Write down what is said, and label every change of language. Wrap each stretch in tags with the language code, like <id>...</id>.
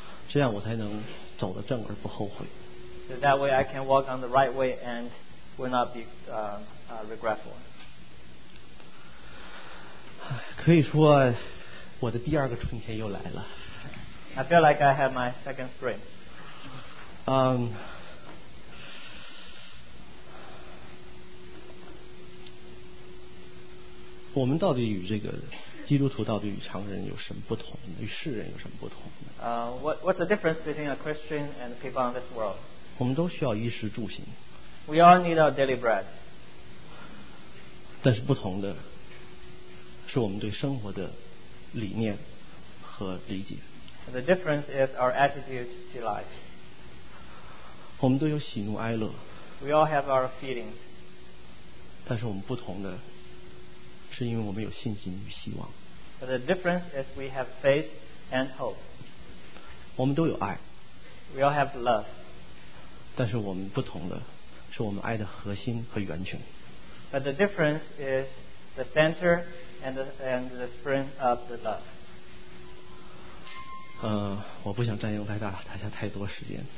<zh>这样我才能走得正而不后悔。</zh> <en>So that way I can walk on the right way and will not be regretful.</en> <zh>可以说我的第二个春天又来了。</zh> <en>I feel like I have my second spring.</en> <zh>我们到底与这个基督徒到底与常人有什么不同呢？与世人有什么不同呢？</zh> <en>What's the difference between a Christian and people in this world?</en> <zh>我们都需要衣食住行。</zh> <en>We all need our daily bread.</en> <zh>但是不同的是我们对生活的理念和理解。</zh> <en>The difference is our attitude to life.</en> <zh>我们都有喜怒哀乐。</zh> <en>We all have our feelings.</en> <zh>但是我们不同的是因为我们有信心与希望。</zh> <en>But the difference is we have faith and hope.</en> <zh>我们都有爱。</zh> <en>We all have love.</en> <zh>但是我们不同的是我们爱的核心和源泉。</zh> <en>But the difference is the center and the spring of the love.</en> <zh>我不想占用大家太多时间。</zh>